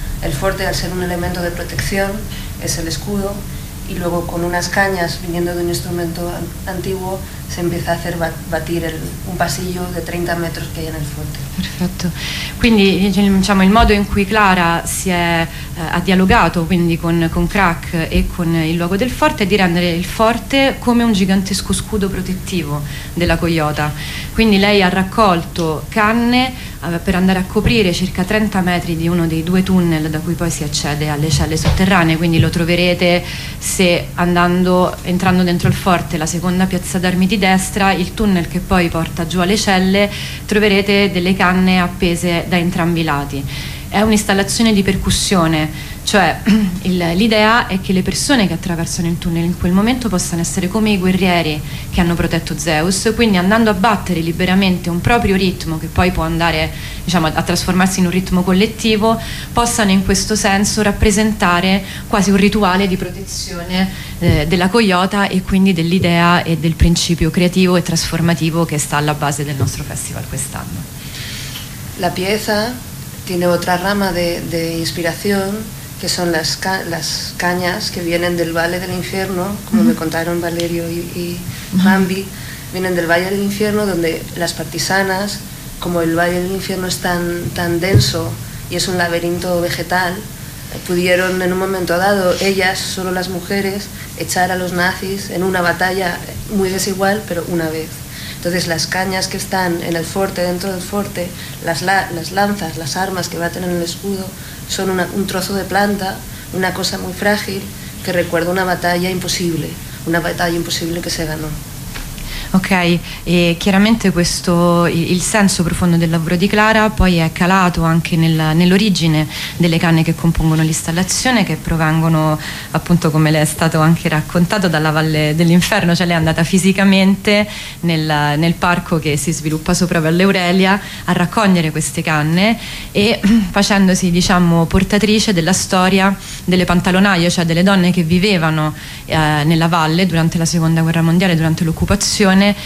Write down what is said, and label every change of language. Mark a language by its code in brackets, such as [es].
[es] El forte, al ser un elemento de protección, es el escudo, y luego con unas cañas viniendo de un instrumento antiguo se empieza a hacer batir un pasillo de 30 metros que hay en el forte. Perfecto. [it] Quindi, diciamo, il modo in cui Clara ha dialogato quindi con Crack e con il luogo del forte è di rendere il forte come un gigantesco scudo protettivo della coyota. Quindi lei ha raccolto canne per andare a coprire circa 30 metri di uno dei due tunnel da cui poi si accede alle celle sotterranee. Quindi lo troverete se entrando dentro il forte, la seconda piazza d'armi di destra, il tunnel che poi porta giù alle celle, troverete delle canne appese da entrambi i lati. È un'installazione di percussione, cioè l'idea è che le persone che attraversano il tunnel in quel momento possano essere come i guerrieri che hanno protetto Zeus, quindi andando a battere liberamente un proprio ritmo, che poi può andare, diciamo, a trasformarsi in un ritmo collettivo, possano in questo senso rappresentare quasi un rituale di protezione della coyota, e quindi dell'idea e del principio creativo e trasformativo che sta alla base del nostro festival quest'anno. [es] La pieza tiene otra rama de inspiración, que son las cañas que vienen del Valle del Infierno, como me contaron Valerio y Mambi, vienen del Valle del Infierno, donde las partisanas, como el Valle del Infierno es tan, tan denso y es un laberinto vegetal, pudieron en un momento dado, ellas, solo las mujeres, echar a los nazis en una batalla muy desigual, pero una vez. Entonces las cañas que están en el forte, dentro del forte, las lanzas, las armas que va a tener el escudo, son un trozo de planta, una cosa muy frágil que recuerda una batalla imposible que se ganó. [it] Ok, e chiaramente questo, il senso profondo del lavoro di Clara poi è calato anche nell'origine delle canne che compongono l'installazione, che provengono appunto, come le è stato anche raccontato, dalla Valle dell'Inferno, cioè lei è andata fisicamente nel parco che si sviluppa sopra Valleurelia a raccogliere queste canne e facendosi, diciamo, portatrice della storia delle pantalonaie, cioè delle donne che vivevano nella valle durante la Seconda Guerra Mondiale, durante l'occupazione.